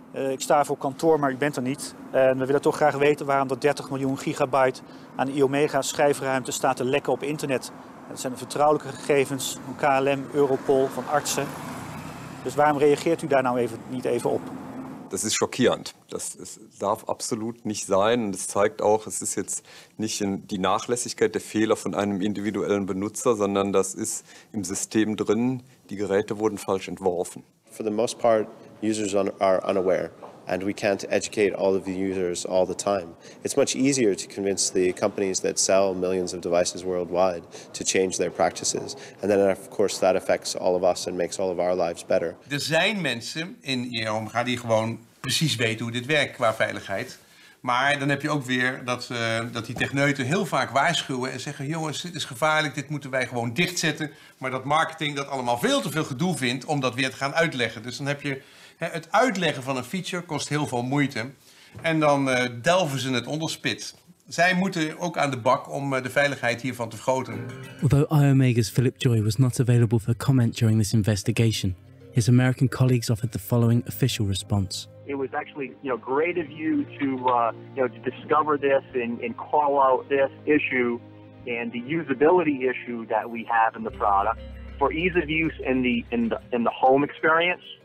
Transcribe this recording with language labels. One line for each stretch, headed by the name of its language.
Dutch: Ik sta voor kantoor, maar u bent er niet. En we willen toch graag weten waarom dat 30 miljoen gigabyte aan iOmega-schijfruimte staat te lekken op internet. Dat zijn de vertrouwelijke gegevens van KLM, Europol, van artsen. Dus waarom reageert u daar nou even, niet even op?
German: Das ist schockierend. Das darf absolut nicht sein. Und es zeigt auch, es ist jetzt nicht die Nachlässigkeit der Fehler von einem individuellen Benutzer, sondern das ist im System drin. Die Geräte wurden falsch entworfen.
English: For the most part, users are unaware. And we can't educate all of the users all the time. It's much easier to convince the companies that sell millions of devices worldwide to change their practices. And then of course that affects all of us and makes all of our lives better.
Dutch: Er zijn mensen in iOmega die gewoon precies weten hoe dit werkt qua veiligheid. Maar dan heb je ook weer dat die techneuten heel vaak waarschuwen en zeggen, jongens, dit is gevaarlijk, dit moeten wij gewoon dichtzetten. Maar dat marketing dat allemaal veel te veel gedoe vindt om dat weer te gaan uitleggen. Dus dan heb je... Het uitleggen van een feature kost heel veel moeite. En dan delven ze het onderspit. Zij moeten ook aan de bak om de veiligheid hiervan te vergroten.
English: Although iOmega's Philip Joy was not available for comment during this investigation, his American colleagues offered the following official response. It was actually, you know, great of you to discover this and call out this issue and the usability issue that we have in the product for ease of use in the home experience.